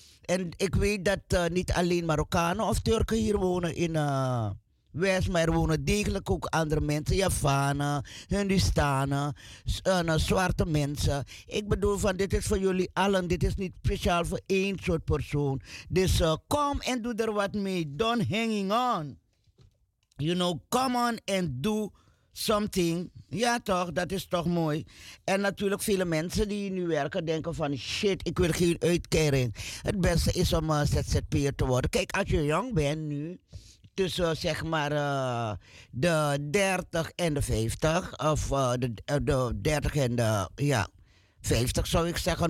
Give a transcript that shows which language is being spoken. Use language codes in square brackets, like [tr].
[nl] En ik weet dat niet alleen Marokkanen of Turken hier wonen in West, maar er wonen degelijk ook andere mensen, Javanen, Hindustanen, zwarte mensen. Ik bedoel van, dit is voor jullie allen, dit is niet speciaal voor één soort persoon. Dus kom en doe er wat mee, [en] don't hanging on. You know, come on and do something. [nl] Ja toch, dat is toch mooi. En natuurlijk vele mensen die nu werken denken van shit, ik wil geen uitkering. Het beste is om ZZP'er te worden. Kijk, als je jong bent nu... Tussen zeg maar de 30 en de 50. Of de 30 en de 50 zou ik zeggen.